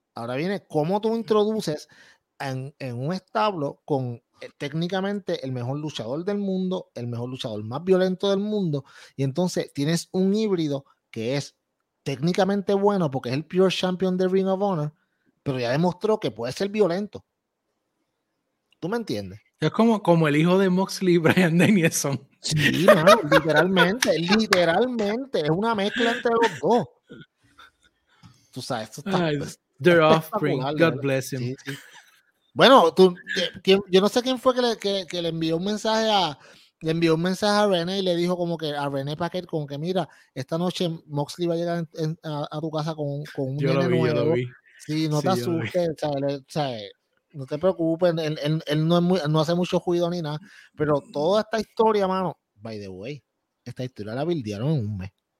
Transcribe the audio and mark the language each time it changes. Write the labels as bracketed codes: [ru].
[es] Ahora viene cómo tú introduces en un establo con técnicamente el mejor luchador del mundo, el mejor luchador más violento del mundo, y entonces tienes un híbrido que es técnicamente bueno porque es el pure champion de Ring of Honor, pero ya demostró que puede ser violento. ¿Tú me entiendes? Es como el hijo de Moxley y Brian Danielson. Sí, no, literalmente. Es una mezcla entre los dos. Tú sabes, esto está... [en] their offspring, God bless him. [es] Sí, sí. Bueno, yo no sé quién fue que le envió un mensaje a... Le envió un mensaje a René y le dijo como que a René Packer, como que mira, esta noche Moxley va a llegar a tu casa con un yo nene nuevo. Yo lo vi. Sí, no, sí, te asustes, ¿sabes? No te preocupes, él no es muy, no hace mucho ruido ni nada, pero toda esta historia, mano, [en] by the way, [es] esta historia la bildearon en un mes.